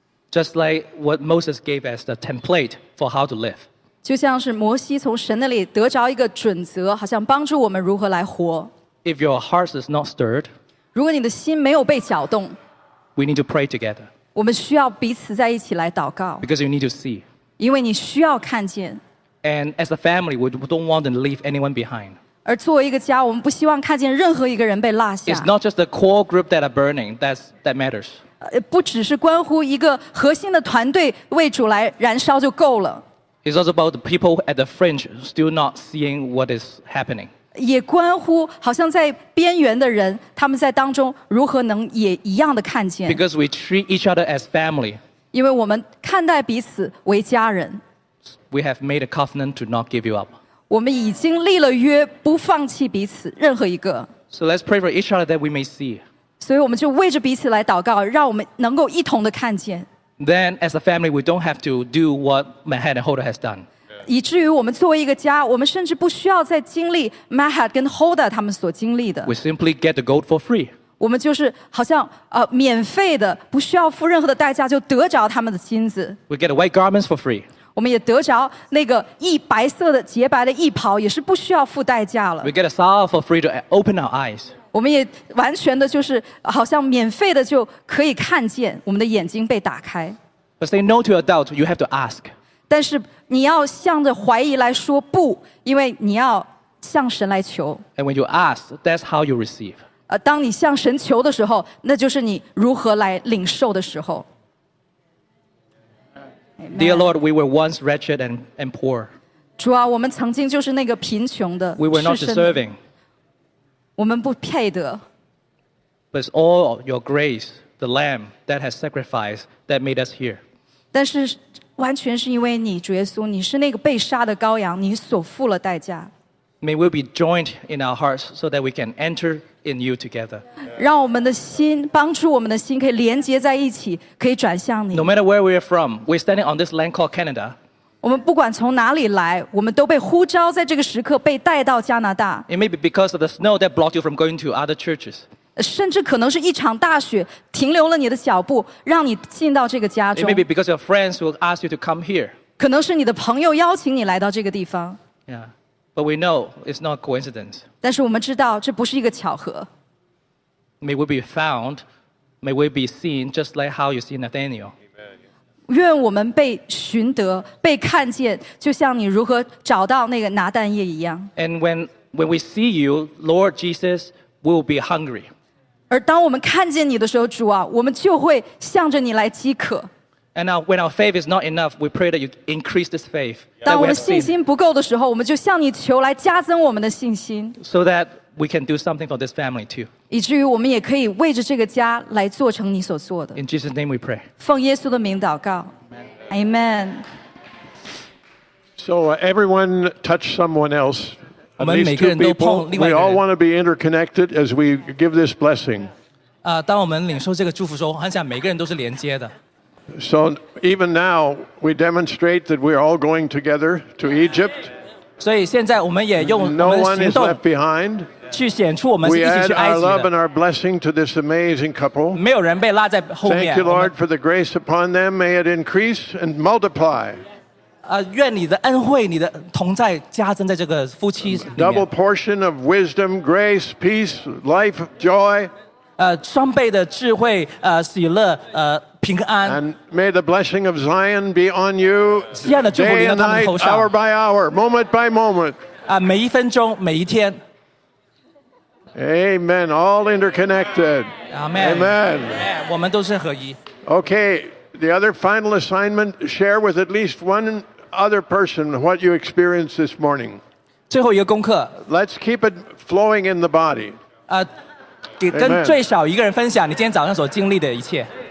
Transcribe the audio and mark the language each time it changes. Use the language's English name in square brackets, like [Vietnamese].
[English] Just like what Moses gave as the template for how to live. [Chinese] 就像是摩西从神那里得着一个准则，好像帮助我们如何来活。 [English] If your heart is not stirred. [Chinese] 如果你的心没有被搅动。 [English] We need to pray together. [Chinese] 我们需要彼此在一起来祷告。 [English] Because you need to see. [Chinese] 因为你需要看见。 [English] And as a family, we don't want to leave anyone behind. [Chinese] 而作为一个家，我们不希望看见任何一个人被落下。 [English] It's not just the core group that are burning, that matters. [Chinese] 不只是关乎一个核心的团队为主来燃烧就够了。 [English] It's also about the people at the fringe still not seeing what is happening. [Chinese] 也关乎好像在边缘的人，他们在当中如何能也一样的看见。 [English] Because we treat each other as family. [Chinese] 因为我们看待彼此为家人。 [English] We have made a covenant to not give you up. [Chinese] 我们已经立了约，不放弃彼此任何一个。 [English] So let's pray for each other that we may see. [Chinese] 所以我们就为着彼此来祷告，让我们能够一同的看见。 [English] Then as a family, we don't have to do what Mahat and Hoda has done. [Chinese] 以至于我们作为一个家，我们甚至不需要再经历 Mahat 跟 Hoda 他们所经历的。 [English] We simply get the gold for free. [Chinese] 我们就是好像免费的，不需要付任何的代价就得着他们的金子。 [English] We get the white garments for free. [Chinese] 我们也得着那个一白色的洁白的衣袍，也是不需要付代价了。 [English] We get a salve for free to open our eyes. [Chinese] 我们也完全的就是好像免费的就可以看见，我们的眼睛被打开。 [English] But say no to your doubt. You have to ask. [Chinese] 但是你要向着怀疑来说不，因为你要向神来求。 [English] And when you ask, that's how you receive. [Chinese] 当你向神求的时候，那就是你如何来领受的时候。 [English] Amen. Dear Lord, we were once wretched and poor. [Chinese] 主啊，我们曾经就是那个贫穷的。 [English] We were not deserving. [Chinese] 我们不配得。 [English] But it's all your grace, the Lamb that has sacrificed, that made us here. [Chinese] 但是完全是因为你，主耶稣，你是那个被杀的羔羊，你所付了代价。 [English] May we be joined in our hearts so that we can enter in you together. [Chinese] 让我们的心，帮助我们的心可以连接在一起，可以转向你。 [English] No matter where we are from, we're standing on this land called Canada. [Chinese] 我们不管从哪里来，我们都被呼召在这个时刻被带到加拿大。 [English] It may be because of the snow that blocked you from going to other churches. [Chinese] 甚至可能是一场大雪停留了你的脚步，让你进到这个家中。 [English] Maybe because your friends will ask you to come here. [Chinese] 可能是你的朋友邀请你来到这个地方。 [English] Yeah, but we know it's not coincidence. [Chinese] 但是我们知道这不是一个巧合。 [English] May we be found, may we be seen, just like how you see Nathaniel. Amen. [Chinese] 愿我们被寻得，被看见，就像你如何找到那个拿但业一样。 [English] And when we see you, Lord Jesus. We'll be hungry. [Chinese] 而当我们看见你的时候，主啊，我们就会向着你来饥渴。 [English] And now, when our faith is not enough, we pray that you increase this faith. [Chinese] 当我们信心不够的时候，我们就向你求来加增我们的信心。 [English] So that we can do something for this family too. [Chinese] 以至于我们也可以为着这个家来做成你所做的。 [English] In Jesus' name, we pray. [Chinese] 奉耶稣的名祷告。Amen. Amen. [English] So everyone touch someone else. [Chinese] 我们每个人都碰另外一个人。 [English] We all want to be interconnected as we give this blessing. [Chinese] 当我们领受这个祝福的时候，我很想每个人都是连接的。 [English] So even now, we demonstrate that we're all going together to Egypt. [Chinese] 所以现在我们也用我们的行动。 [English] No one is left behind. [Chinese] 去显出我们是一起去埃及的。 [English] We add our love and our blessing to this amazing couple. [Chinese] 没有人被落在后面。 [English] Thank you, Lord, for the grace upon them. May it increase and multiply. [Chinese] 愿你的恩惠、你的同在加增在这个夫妻里面。 [English] Double portion of wisdom, grace, peace, life, joy. [Chinese] 双倍的智慧、喜乐、平安。 [English] And may the blessing of Zion be on you. [Chinese] 西安的祝福临到他们头上。 [English] Day and night, hour by hour, moment by moment. [Chinese] 每一分钟、每一天。 [English] Amen. All interconnected. Amen. Amen. Amen. Okay, the other final assignment, share with at least one other person what you experienced this morning. [Chinese] 最后一个功课。 [English] Let's keep it flowing in the body. [Chinese] 跟最少一个人分享你今天早上所经历的一切。